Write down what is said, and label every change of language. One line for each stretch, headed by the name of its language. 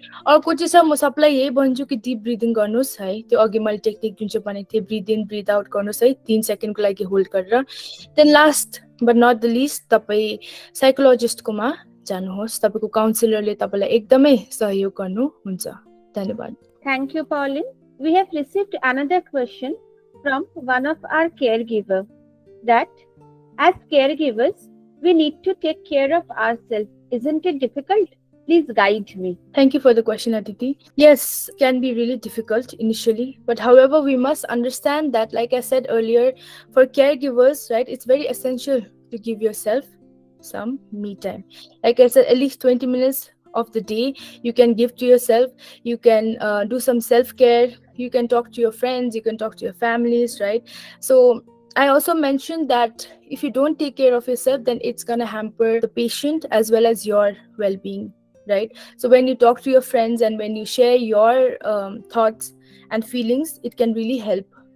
Nepali: अर्को चाहिँ छ म सबलाई यही भन्छु कि डिप ब्रिदिङ गर्नुहोस् है त्यो अघि मैले टेक्निक जुन चाहिँ भनेको थिएँ
English: breathe in breathe out
Nepali: गर्नुहोस् है 3 सेकेन्डको लागि होल्ड गरेर
English: then last but not the least
Nepali: तपाईँ साइकोलोजिस्टकोमा जानुहोस् तपाईँको काउन्सिलरले तपाईँलाई एकदमै सहयोग गर्नुहुन्छ धन्यवाद
English: thank you Pauline we have received another question from one of our caregiver that as caregivers we need to take care of ourselves isn't it difficult please guide me thank you for the question aditi yes can be really difficult initially but however we must understand that like I said earlier for caregivers right it's very essential to give yourself some me time like I said at least 20 minutes of the day you can give to yourself you can do some self care you can talk to your friends you can talk to your families right so I also mentioned that if you don't take care of yourself then it's going to hamper the patient as well as your well-being right so when you talk to your friends and when you share your thoughts and feelings it can really help